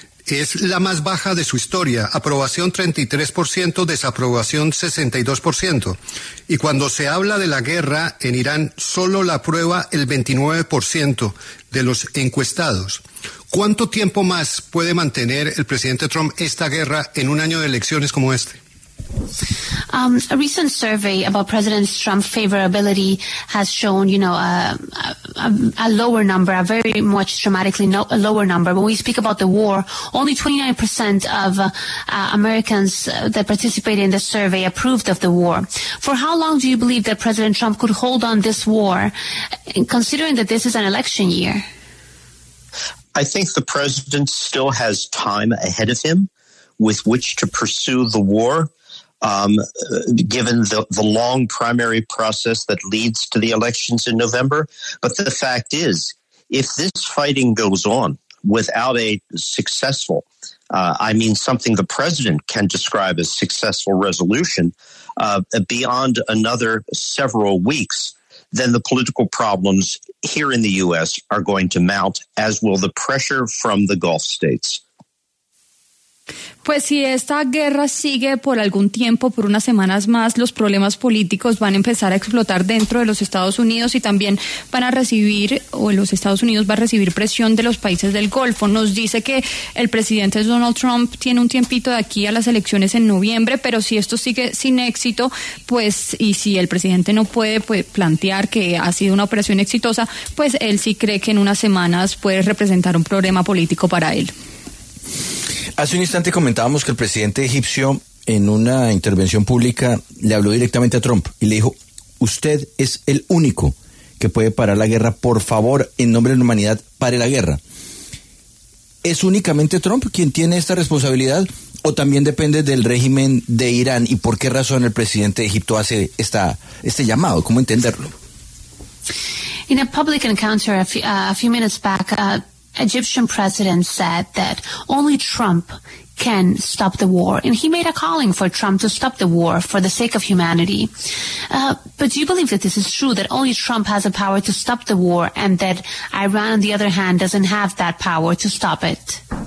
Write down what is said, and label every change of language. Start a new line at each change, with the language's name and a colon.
Spanish: Es la más baja de su historia, aprobación 33%, desaprobación 62%. Y cuando se habla de la guerra en Irán, solo la aprueba el 29% de los encuestados. ¿Cuánto tiempo más puede mantener el presidente Trump esta guerra en un año de elecciones como este?
English: A recent survey about President Trump's favorability has shown, you know, a lower number, a very much dramatically a lower number. When we speak about the war, only 29% of Americans that participated in the survey approved of the war. For how long do you believe that President Trump could hold on this war, considering that this is an election year? I think the president still has time ahead of him with which to pursue the war. Given the long primary process that leads to the elections in November. But the fact is, if this fighting goes on without a successful, something the president can describe as successful resolution, beyond another several weeks, then the political problems here in the U.S. are going to mount, as will the pressure from the Gulf states.
Spanish: Pues si esta guerra sigue por algún tiempo, por unas semanas más, los problemas políticos van a empezar a explotar dentro de los Estados Unidos y también van a recibir, o los Estados Unidos va a recibir presión de los países del Golfo. Nos dice que el presidente Donald Trump tiene un tiempito de aquí a las elecciones en noviembre, pero si esto sigue sin éxito, pues, y si el presidente no puede plantear que ha sido una operación exitosa, pues él sí cree que en unas semanas puede representar un problema político para él. Hace un instante comentábamos que el presidente egipcio, en una intervención pública, le habló directamente a Trump y le dijo: usted es el único que puede parar la guerra, por favor, en nombre de la humanidad, pare la guerra. ¿Es únicamente Trump quien tiene esta responsabilidad o también depende del régimen de Irán? ¿Y por qué razón el presidente de Egipto hace este llamado? ¿Cómo entenderlo?
English: In a public encounter a few minutes back, Egyptian president said that only Trump can stop the war, and he made a calling for Trump to stop the war for the sake of humanity. But do you believe that this is true, that only Trump has the power to stop the war, and that Iran, on the other hand, doesn't have that power to stop it?